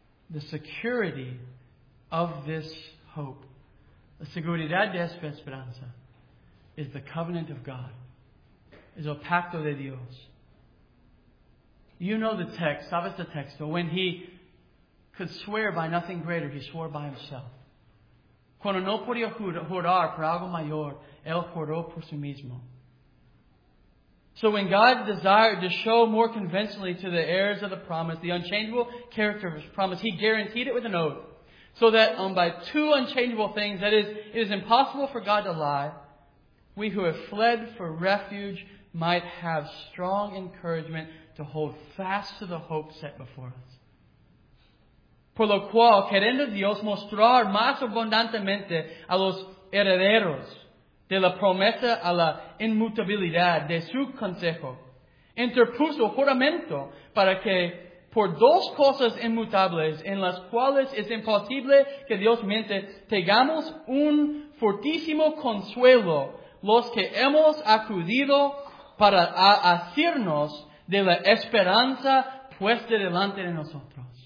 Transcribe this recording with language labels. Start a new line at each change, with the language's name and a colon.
English: The security of this hope,
Spanish: la seguridad de esta esperanza,
English: is the covenant of God, is
Spanish: el pacto de Dios.
English: You know the text, sabes the text, but when he could swear by nothing greater, he swore by himself.
Spanish: Cuando no podía jurar por algo mayor, él juró por sí mismo.
English: So when God desired to show more convincingly to the heirs of the promise the unchangeable character of His promise, He guaranteed it with an oath, so that by two unchangeable things, that is, it is impossible for God to lie, we who have fled for refuge might have strong encouragement to hold fast to the hope set before us.
Spanish: Por lo cual, queriendo Dios mostrar más abundantemente a los herederos de la promesa a la inmutabilidad de su consejo, interpuso juramento para que por dos cosas inmutables en las cuales es imposible que Dios miente, tengamos un fortísimo consuelo los que hemos acudido para asirnos de la esperanza puesta delante de nosotros.